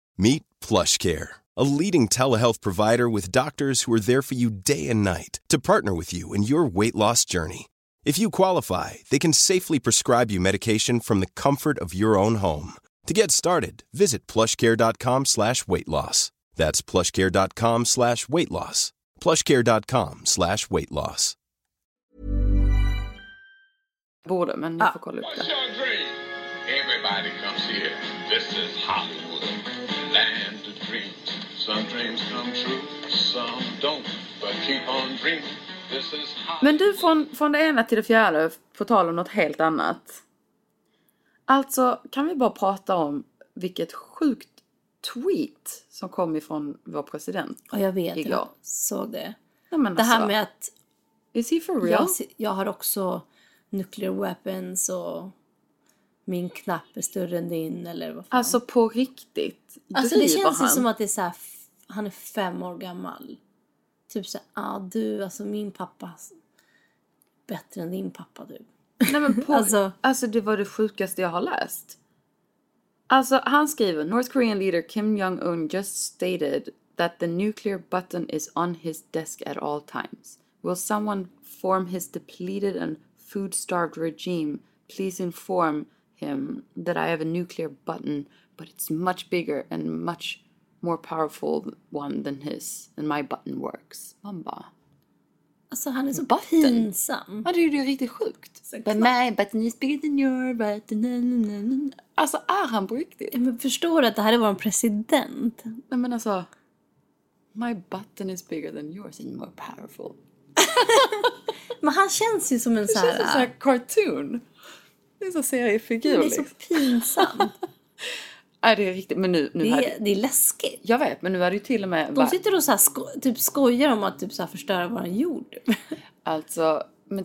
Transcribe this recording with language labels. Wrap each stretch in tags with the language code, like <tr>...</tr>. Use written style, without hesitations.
<en>Meet PlushCare, a leading telehealth provider with doctors who are there for you day and night to partner with you in your weight loss journey. If you qualify, they can safely prescribe you medication from the comfort of your own home. To get started, visit plushcare.com/weightloss. That's plushcare.com/weightloss. plushcare.com/weightloss.</en> <sv>Borde, men jag får kolla upp det.</sv> <en>Everybody comes here. This is Hollywood. Land of dreams. Some dreams come true, some don't. But keep on dreaming.</en> <sv>Men du, från det ena till det fjärde, får tala om något helt annat. Alltså, kan vi bara prata om vilket sjukt tweet som kom ifrån vår president igår? Ja, jag vet. Jag såg det. Ja, men det alltså, här med att...</sv> <en>Is he for real?</en> <sv>Jag har också</sv> <en>nuclear weapons</en> <sv>och min knapp är större än din, eller vad fan. Alltså, på riktigt? Alltså, det känns ju som att det är så här, han är 5 år gammal. Typ såhär, du, alltså min pappa bättre än din pappa, du. Nej, men på, alltså det var det sjukaste jag har läst. Alltså han skriver,</sv> <en>North Korean leader Kim Jong-un just stated that the nuclear button is on his desk at all times. Will someone form his depleted and food-starved regime please inform him that I have a nuclear button but it's much bigger and much more powerful one than his and my button works.</en> <sv>Man bara, alltså han är så button. Pinsam. Ja, det är ju riktigt sjukt.</sv> <en>But my button is bigger than your button.</en> <sv>Alltså är han på riktigt? Men förstår du att det här är vår president? Nej, men alltså,</sv> <en>my button is bigger than yours and more powerful.</en> <sv>Men han känns ju som en så här... Det känns som en cartoon. Det är så seriefigur. Det är så pinsamt. Nej, det är riktigt, men nu det, hade... det är läskigt. Jag vet, men nu är det ju till och med... De sitter och så här typ skojar om att typ så här förstöra vår jord. Alltså, men</sv>